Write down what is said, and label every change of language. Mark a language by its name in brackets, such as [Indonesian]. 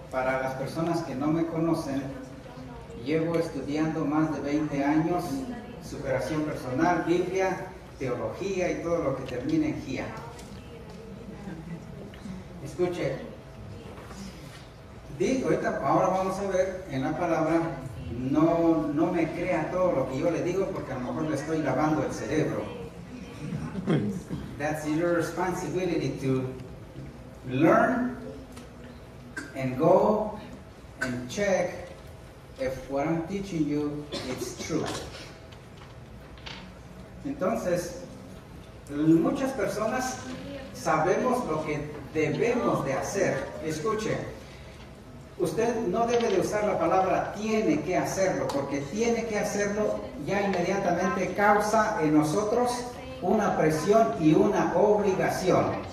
[Spanish] Para las personas que no me conocen, llevo estudiando más de 20 años, superación personal, Biblia, teología y todo lo que termine en GIA. Escuche. Digo, ahora vamos a ver en la palabra, no me crea todo lo que yo le digo porque a lo mejor le estoy lavando el cerebro. [English] That's your responsibility to learn and go and check if what I'm teaching you is true. [Spanish] Entonces, muchas personas sabemos lo que debemos de hacer. Escuche. Usted no debe de usar la palabra tiene que hacerlo, porque tiene que hacerlo ya inmediatamente causa en nosotros una presión y una obligación.